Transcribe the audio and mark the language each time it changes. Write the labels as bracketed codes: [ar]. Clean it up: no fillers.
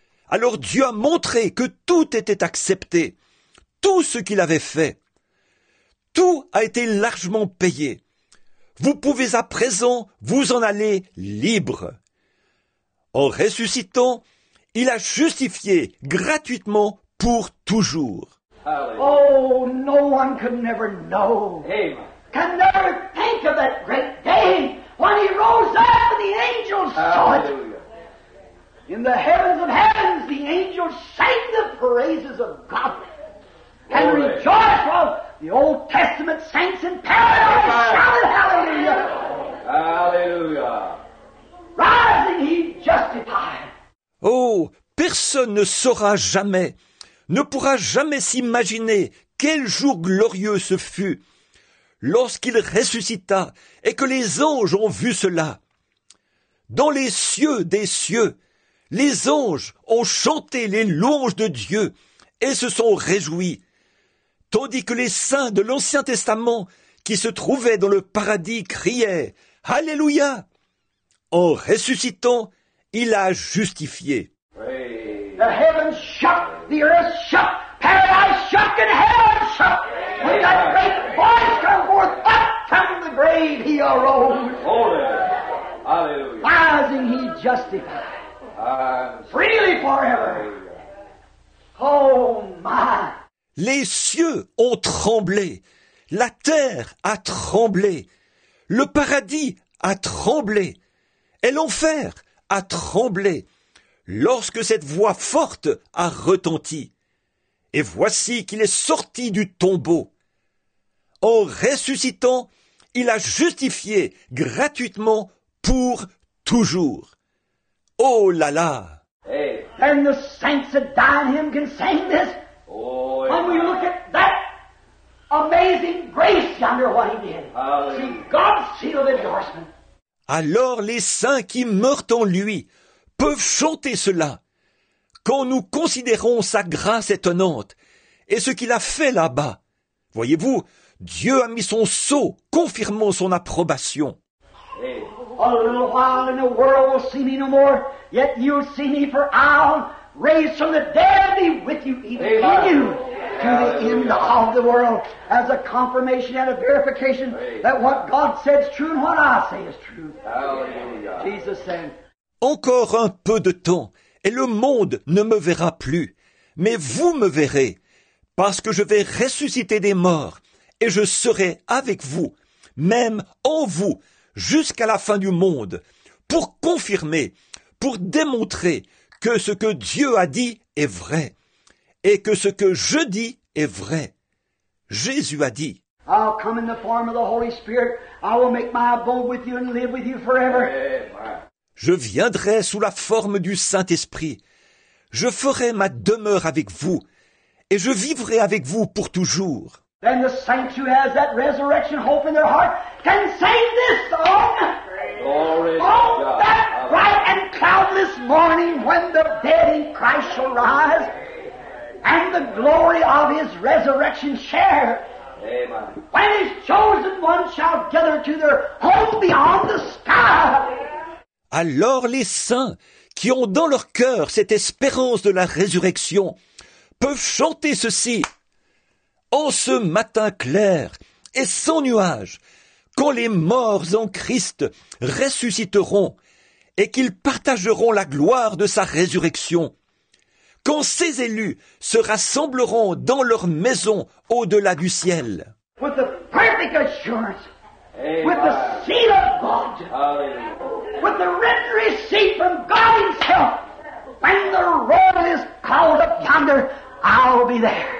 [fr] Alors Dieu a montré que tout était accepté, tout ce qu'il avait fait. Tout a été largement payé. Vous pouvez à présent vous en aller libre. En ressuscitant, il a justifié gratuitement pour toujours. [en] Oh, no one could never know. Amen. Can never think of that great day when he rose up and the angels saw it. In the heavens of heavens, the angels sang the praises of God. And rejoice while the Old Testament saints in paradise shouted hallelujah. Hallelujah. Rising, he justified. [fr] Oh, personne ne saura jamais, ne pourra jamais s'imaginer quel jour glorieux ce fut lorsqu'il ressuscita et que les anges ont vu cela. Dans les cieux des cieux, les anges ont chanté les louanges de Dieu et se sont réjouis, tandis que les saints de l'Ancien Testament qui se trouvaient dans le paradis criaient « Alléluia !» En ressuscitant, il a justifié. [en] The heavens shook, the earth shook, paradise shook, and hell shook. When that great voice came forth up from the grave, he arose. Holy. Hallelujah. Rising, he justified. Freely forever. Oh, my. [fr] Les cieux ont tremblé. La terre a tremblé. Le paradis a tremblé. Et l'enfer a tremblé. Lorsque cette voix forte a retenti, et voici qu'il est sorti du tombeau. En ressuscitant, il a justifié gratuitement pour toujours. Oh là là! Hey. [en] And the saints that died him can sing this. Oh, when we look at that amazing grace yonder, what he did. Hallelujah. See God's seal of endorsement. [fr] Alors les saints qui meurent en lui peuvent chanter cela. Quand nous considérons sa grâce étonnante et ce qu'il a fait là-bas, voyez-vous, Dieu a mis son sceau confirmant son approbation. [en] A little while and the world will see me no more, yet you'll see me for I'll raise from the dead and be with you even Amen. In you to the end of the world as a confirmation and a verification Amen. That what God said is true and what I say is true. Hallelujah. Jesus said, [fr] encore un peu de temps, et le monde ne me verra plus. Mais vous me verrez, parce que je vais ressusciter des morts, et je serai avec vous, même en vous, jusqu'à la fin du monde, pour confirmer, pour démontrer que ce que Dieu a dit est vrai, et que ce que je dis est vrai. Jésus a dit, [en] I'll come in the form of the Holy Spirit, I will make my abode with you and live with you forever. [fr] Je viendrai sous la forme du Saint-Esprit. Je ferai ma demeure avec vous et je vivrai avec vous pour toujours. [en] Then the saint who has that resurrection hope in their heart can sing this song. Glory on that bright and cloudless morning when the dead in Christ shall rise and the glory of his resurrection share. Amen. When his chosen ones shall gather to their home beyond the sky. [fr] Alors les saints qui ont dans leur cœur cette espérance de la résurrection peuvent chanter ceci. En ce matin clair et sans nuage, quand les morts en Christ ressusciteront et qu'ils partageront la gloire de sa résurrection, quand ses élus se rassembleront dans leur maison au-delà du ciel. [en] With the perfect assurance, Amen. With the seal of God. Hallelujah. With the red receipt from God himself, when the roar is called up yonder, I'll be there.